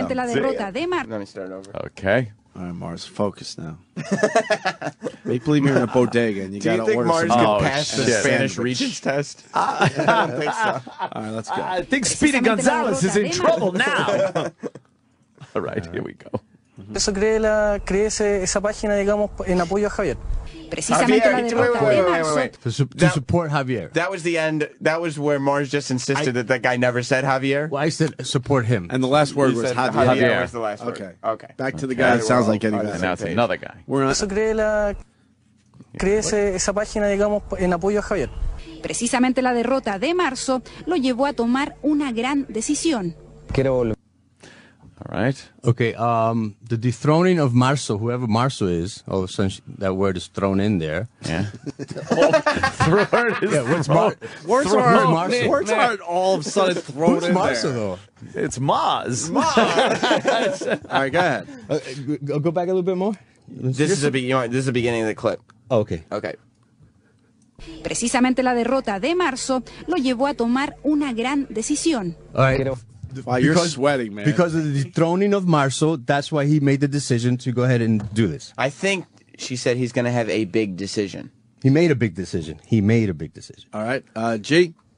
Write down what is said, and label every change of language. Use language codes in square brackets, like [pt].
[es] La derrota de Mar- [en] Let me start over. Okay. All right, Mars, focus now. They believe you're in a bodega and you got to order some. Do you think Mars can pass the Spanish Regents test? I don't think so. All right, let's go. I think Speedy Gonzalez is in trouble now. All right, here we go. [es] Eso creé esa página, digamos, en apoyo a Javier. [en] To support Javier. That was the end. That was where Mars just insisted that guy never said Javier. Well, I said support him. And the last word was Javier. Javier was the last word. Okay. Back to the guy that sounds like anybody. Now it's another guy. We're on. [es] Crece esa página, digamos, en apoyo a Javier. Precisamente la derrota de marzo lo llevó a tomar una gran decisión. Quiero volver. [en] All right. Okay. The dethroning of Marzo, whoever Marzo is, oh, since that word is thrown in there. Yeah. Words aren't all of a sudden thrown who's in Marzo, there. Though? It's Mars. Mars. All right, go ahead. Go back a little bit more. This is the beginning of the clip. Okay. Okay. [es] Precisamente la derrota de Marzo lo llevó a tomar una gran decisión. [en] All right. Wow, you're sweating, man. Because of the dethroning of Marzo, that's why he made the decision to go ahead and do this. I think she said he's going to have a big decision. He made a big decision. All right. G?